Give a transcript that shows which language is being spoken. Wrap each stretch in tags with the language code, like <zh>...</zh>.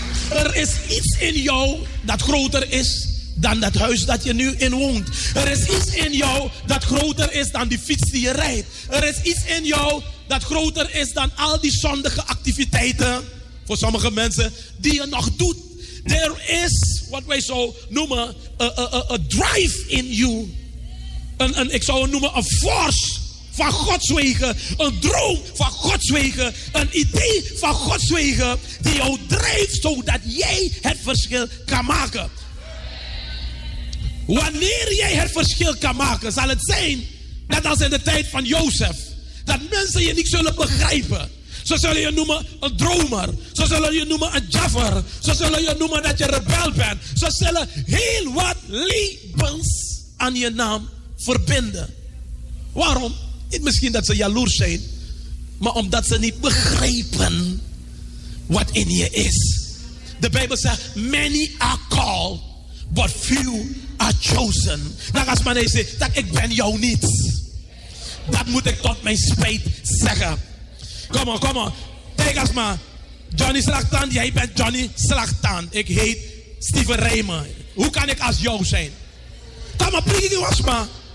<nl>Er is iets in jou dat groter is dan dat huis dat je nu in woont. Er is iets in jou dat groter is dan die fiets die je rijdt. Er is iets in jou dat groter is dan al die zondige activiteiten, voor sommige mensen, die je nog doet.</nl> <en>There is</en> <nl>wat wij zo noemen</nl> <en>a drive in you.</en> <nl>Ik zou het noemen een force van Gods wegen. Een droom van Gods wegen. Een idee van Gods wegen die jou drijft zodat jij het verschil kan maken. Wanneer jij het verschil kan maken, zal het zijn dat als in de tijd van Jozef, dat mensen je niet zullen begrijpen. Ze zullen je noemen een dromer. Ze zullen je noemen een jaffer. Ze zullen je noemen dat je rebel bent. Ze zullen heel wat labels aan je naam verbinden. Waarom? Niet misschien dat ze jaloers zijn, maar omdat ze niet begrijpen wat in je is. De Bijbel zegt,</nl> <en>many are called, but few are chosen.</en> <nl>Dan als men zegt, dat ik ben jou niet. Dat moet ik tot mijn spijt zeggen. Kom op, kom op. Kijk eens maar. Johnny Slagtaan, jij bent Johnny Slagtaan. Ik heet Steven Rijmer. Hoe kan ik als jou zijn? Kom maar, prikkie was maar.</nl>